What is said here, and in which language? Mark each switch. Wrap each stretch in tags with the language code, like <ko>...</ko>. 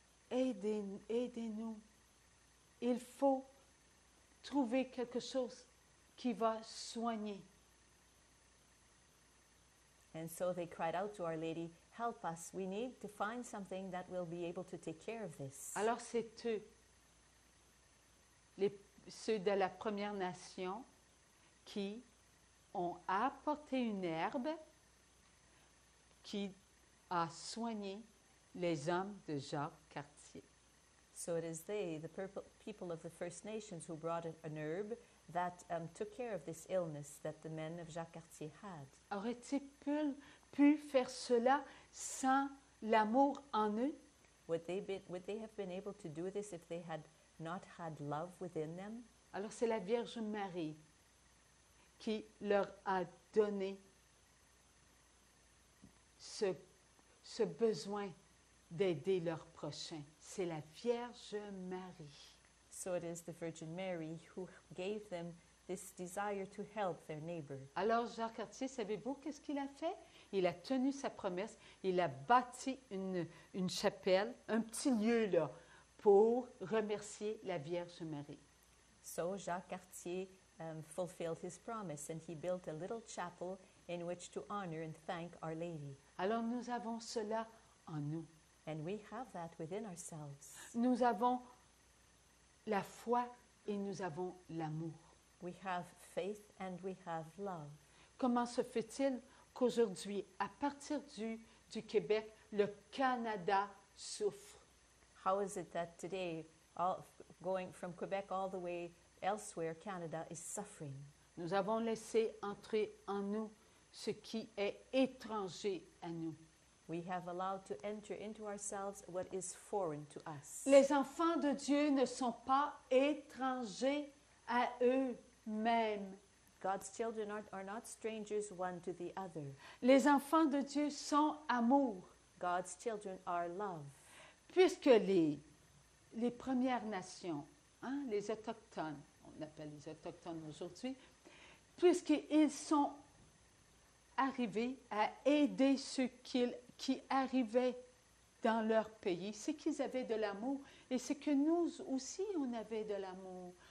<fr>Aidez-nous. Il faut trouver quelque chose qui va soigner.</fr> <en>And so they cried out to Our Lady, help us. We need to find something that will be able to take care of this.</en> <fr>Alors c'est eux, ceux de la Première Nation, qui ont apporté une herbe qui a soigné les hommes de Jacques Cartier.</fr> <en>So it is they, the people of the First Nations, who brought an herb that took care of this illness that the men of Jacques Cartier had.</en> <fr>Aurait-il pu faire cela sans l'amour en eux?</fr> <en>Would they have been able to do this if they had not had love within them?</en> <fr>Alors c'est la Vierge Marie qui leur a donné ce besoin d'aider leurs prochains. C'est la Vierge Marie.</fr> <en>So it is the Virgin Mary who gave them this desire to help their neighbor.</en> <fr>Alors Jacques Cartier, savez-vous qu'est-ce qu'il a fait? Il a tenu sa promesse. Il a bâti une chapelle, un petit lieu là, pour remercier la Vierge Marie.</fr> <en>So Jacques Cartier fulfilled his promise and he built a little chapel in which to honor and thank Our Lady.</en> <fr>Alors nous avons cela en nous.</fr> <en>And we have that within ourselves.</en> <fr>Nous avons la foi et nous avons l'amour.</fr> <en>We have faith and we have love.</en> <fr>Comment se fait-il qu'aujourd'hui, à partir du Québec, le Canada souffre?</fr> <en>How is it that today, going from Quebec all the way elsewhere, Canada is suffering?</en> <fr>Nous avons laissé entrer en nous ce qui est étranger à nous.</fr> <en>We have allowed to enter into ourselves what is foreign to us.</en> <fr>Les enfants de Dieu ne sont pas étrangers à eux-mêmes.</fr> <en>God's children are not strangers one to the other.</en> <fr>Les enfants de Dieu sont amour.</fr> <en>God's children are love.</en> <fr>Puisque les Premières Nations, hein, les Autochtones, on appelle les Autochtones aujourd'hui, puisqu'ils sont arrivés à aider ceux qui arrivaient dans leur pays, c'est qu'ils avaient de l'amour et c'est que nous aussi, on avait de l'amour.</fr>